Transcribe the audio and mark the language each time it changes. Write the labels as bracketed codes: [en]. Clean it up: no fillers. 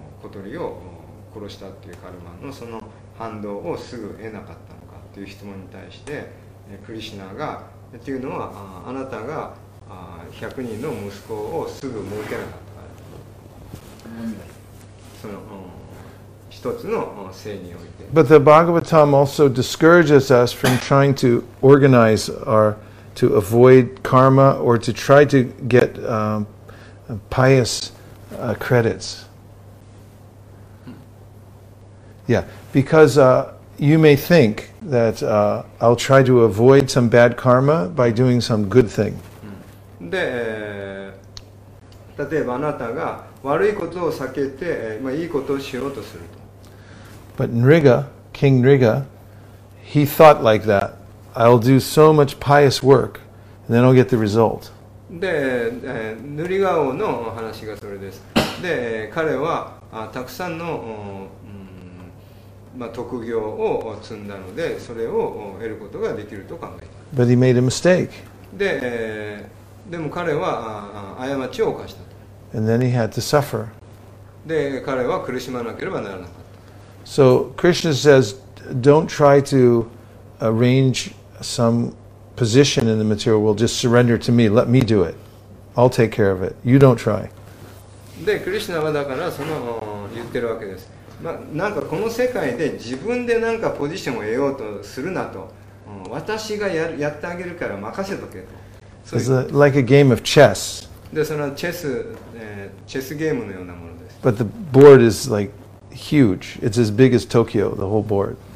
[ja] 鳥を殺したっていうカルマのその反動をすぐ得なかったのかっていう質問に対してクリシナがっていうのはあなたが100人の息子をすぐ設けなかったからその一つの性において [en] But the Bhagavatam also discourages us from trying to organize our to avoid karma or to try to get pious credits Yeah, because you may think that I'll try to avoid some bad karma by doing some good thing. [ja] で、例えばあなたが悪いことを避けて、まあいいことをしようとすると。 [en] But Nriga, King Nriga, he thought like that. I'll do so much pious work, and then I'll get the result. [ja] で、ヌリガ王の話がそれです。で、彼はたくさんのまあ、特業を積んだのでそれを得ることができると考えた。 [en] But he made a mistake. [ja] で、でも彼は過ちを犯したと。 [en] And then he had to suffer. [ja] で、彼は苦しまなければならなかった。 [en] So Krishna says, don't try to arrange some position in the material world. Just surrender to me. Let me do it. I'll take care of it. You don't try. [ja] で、クリシナはだからその言ってるわけです。まあ、なんかこの世界で自分でなんかポジションを得ようとするなと、うん、私が やってあげるから任せとけと。 [en] そう like a game of chess. [ja] で、そのチェスゲームのようなものです。 [en] But the board is like huge. It's as big as Tokyo, the whole board.